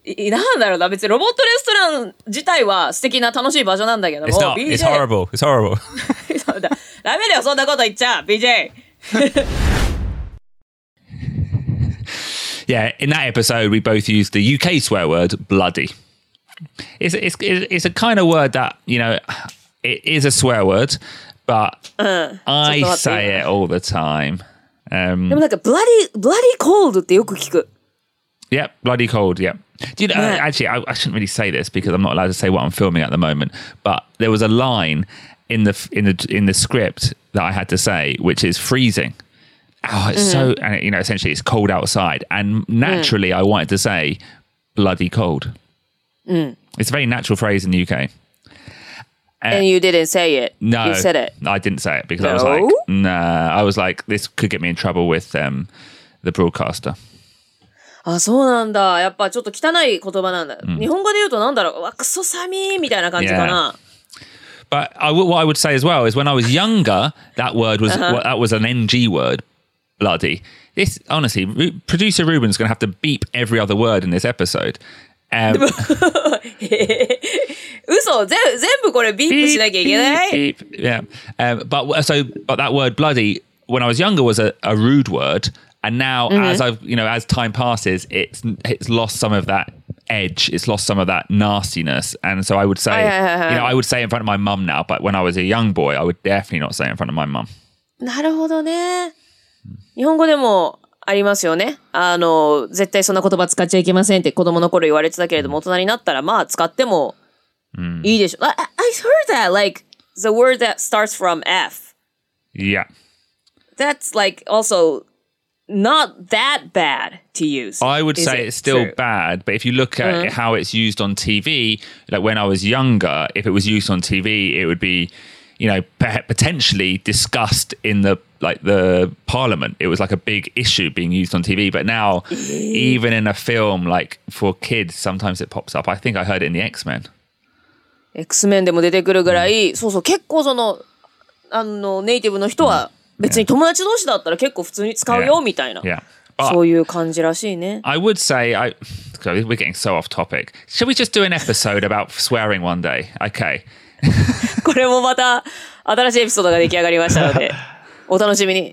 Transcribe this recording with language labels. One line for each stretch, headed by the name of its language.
Japanese: なんだろうな、別にロボットレストラン自体は素敵な楽しい場所なんだけども。
English: It's not. BJ… It's horrible. It's horrible.
Japanese: ダメだよ、そんなこと言っちゃう、BJ.
English: Yeah, in that episode, we both used the UK swear word, bloody. It's a kind of word that, you know, it is a swear word, but I say it all the time.
Japanese: でもなんか
English: bloody cold
Japanese: ってよく聞く。
English: Yep, bloody cold, yep. Do you know, actually, I shouldn't really say this because I'm not allowed to say what I'm filming at the moment, but there was a line in the script that I had to say, which is freezing. Oh, it's so, and it, you know, essentially it's cold outside. And naturally, I wanted to say bloody cold. It's a very natural phrase in the UK. And you didn't say it. No. You said it. I didn't say it because I was like, nah. I was like, this could get me in trouble with the broadcaster.
Japanese: あ、そうなんだ。やっぱちょっと汚い言葉なんだ。日本語で言うとなんだろう。わ、クソサミーみたいな感じかな。
English: Yeah. But what I would say as well is when I was younger, that word was, that was an NG word, bloody. this, honestly, producer Ruben's going to have to beep every other word in this episode. But that word bloody, when I was younger, was a rude word. And now, mm-hmm. as time passes, it's lost some of that edge. It's lost some of that nastiness. And so I would say, I would say in front of my mum now, but when I was a young boy, I would definitely not say in front of my mum.
Japanese: なるほどね。日本語でもありますよね。絶対そんな言葉使っちゃいけませんって子供の頃言われてたけれども、大人になったらまあ使ってもいいでしょ。
English: I heard that, like, the word that starts from F. Yeah. That's, like, also not that bad to use. I would say it's still bad, but if you look at how it's used on TV, like when I was younger, if it was used on TV, it would be... potentially discussed in the parliament. It was like a big issue being used on TV. But now, even in a film, like for kids, sometimes it pops up. I think I heard it in the X-Men.
Japanese: X-Men でも出てくるぐらい、そうそう、結構その、ネイティブの人は別に友達同士だったら結構普通に使うよみたいな。そういう感じらしいね。
English: I would say, we're getting so off topic. Should we just do an episode about swearing one day? Okay.
Japanese: これもまた新しいエピソードが出来上がりましたのでお楽しみに。